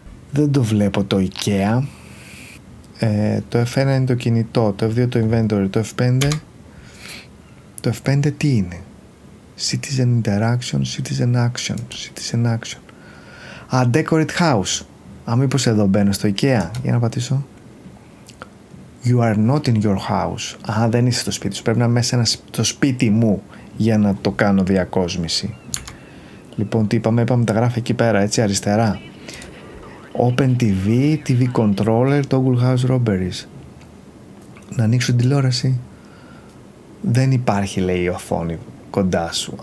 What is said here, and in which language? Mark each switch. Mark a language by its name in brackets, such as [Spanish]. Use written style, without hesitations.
[Greek] Δεν το βλέπω το IKEA. Το F1 είναι το κινητό, το F2 το inventory, το F5. Το F5 τι είναι? [English] Citizen interaction, citizen action, citizen action. A decorate house. [Greek] Α, μήπως εδώ μπαίνω στο IKEA, για να πατήσω. [English] You are not in your house. [Greek] Α, δεν είσαι στο σπίτι σου, πρέπει να είμαι μέσα στο σπίτι μου για να το κάνω διακόσμηση. Λοιπόν, τι είπαμε, τα γράφει εκεί πέρα, έτσι αριστερά. [English] Open TV, TV controller, Toggle House Robberies. [Greek] Να ανοίξω την τηλεόραση. Δεν υπάρχει, λέει, η οθόνη κοντά σου.